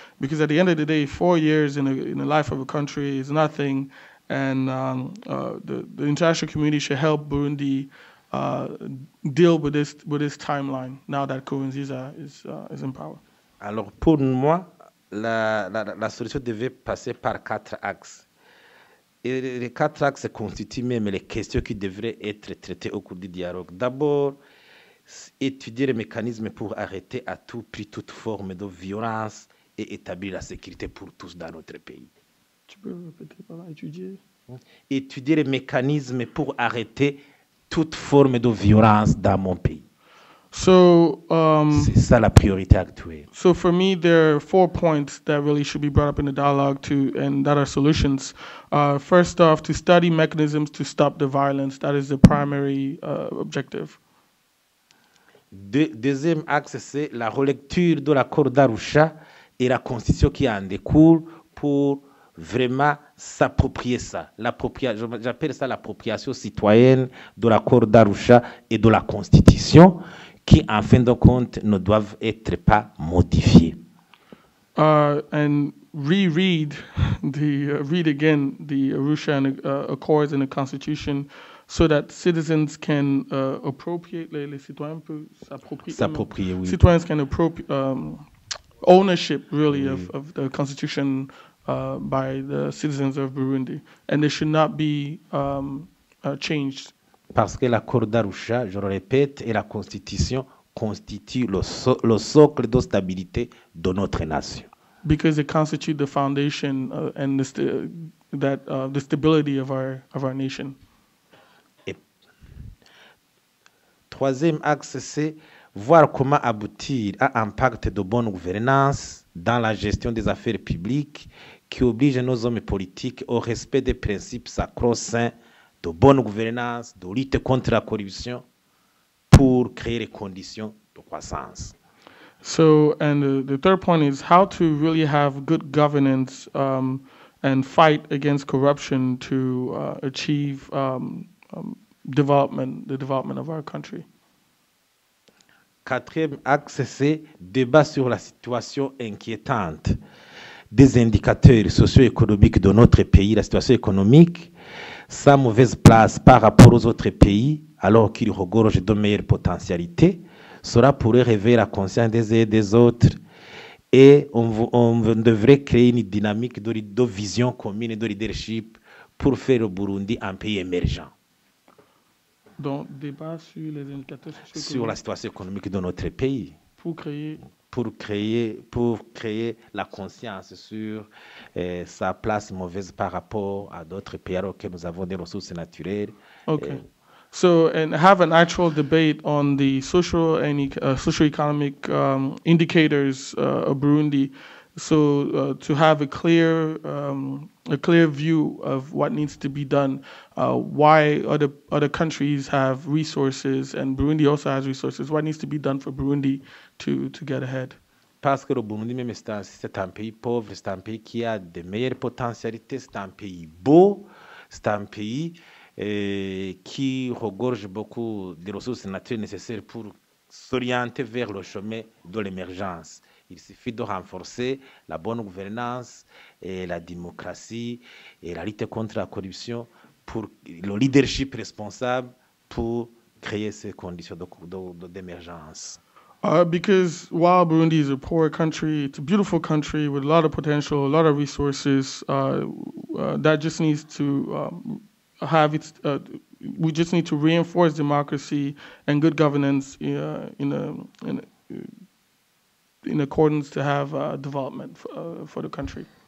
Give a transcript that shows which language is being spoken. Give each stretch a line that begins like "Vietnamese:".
English: Because at the end of the day, 4 years in the life of a country is nothing, and the international community should help Burundi deal with this timeline now that Nkurunziza is in power.
French: Alors pour moi, la solution devait passer par 4 axes. Et les 4 axes constituent même les questions qui devraient être traitées au cours du dialogue. D'abord, étudier les mécanismes pour arrêter à tout prix toute forme de violence et établir la sécurité pour tous dans notre pays. Tu peux répéter par là, étudier. Étudier les mécanismes pour arrêter toute forme de violence dans mon pays.
English: So,
French: c'est ça la priorité actuelle.
English: So for me, there are 4 points that really should be brought up in the dialogue to, and that are solutions. First off, to study mechanisms to stop the violence. That is the primary objective.
French: Deuxième axe, c'est la relecture de l'accord d'Arusha et la constitution qui en découle pour vraiment s'approprier ça. J'appelle ça l'appropriation citoyenne de l'accord d'Arusha et de la constitution qui, en fin de compte, ne doivent être pas modifiés.
English: And reread the read again the Arusha and accords and the constitution so that citizens can appropriate
French: les citoyens peuvent s'approprier oui.
English: Citizens can appropriate ownership really oui. of the constitution by the citizens of Burundi and they should not be changed.
French: Parce que l'accord d'Arusha, je le répète, et la constitution constituent le socle de stabilité de notre nation.
English: Because it constitutes the foundation and the stability of our nation.
French: Et troisième axe, c'est voir comment aboutir à un pacte de bonne gouvernance dans la gestion des affaires publiques qui oblige nos hommes politiques au respect des principes sacro-saints de bonne gouvernance, de lutte contre la corruption pour créer les conditions de croissance.
English: The third point is how to really have good governance and fight against corruption to achieve development, the development of our country.
French: Quatrième axe, c'est débat sur la situation inquiétante des indicateurs socio-économiques de notre pays, la situation économique, sa mauvaise place par rapport aux autres pays, alors qu'il regorge de meilleures potentialités. Cela pourrait réveiller la conscience des uns et des autres. Et on devrait créer une dynamique de vision commune et de leadership pour faire le Burundi un pays émergent. Donc, débat sur les indicateurs sur la situation économique de notre pays. Pour créer la conscience sur sa place mauvaise par rapport à d'autres pays, alors que nous avons des ressources naturelles.
English: Okay. So, and have an actual debate on the social and socio-economic indicators of Burundi. So, to have a clear view of what needs to be done, why other countries have resources and Burundi also has resources, what needs to be done for Burundi to get ahead?
French: Parce que le Burundi, même si c'est un pays pauvre, c'est un pays qui a de meilleures potentialités, c'est un pays beau, c'est un pays qui regorge beaucoup de ressources naturelles nécessaires pour s'orienter vers le chemin de l'émergence. Il suffit de renforcer la bonne gouvernance et la démocratie et la lutte contre la corruption pour le leadership responsable pour créer ces conditions d'émergence.
English: Because while Burundi is a poor country, it's a beautiful country with a lot of potential, a lot of resources, that just needs to have its. We just need to reinforce democracy and good governance in accordance to have development for the country.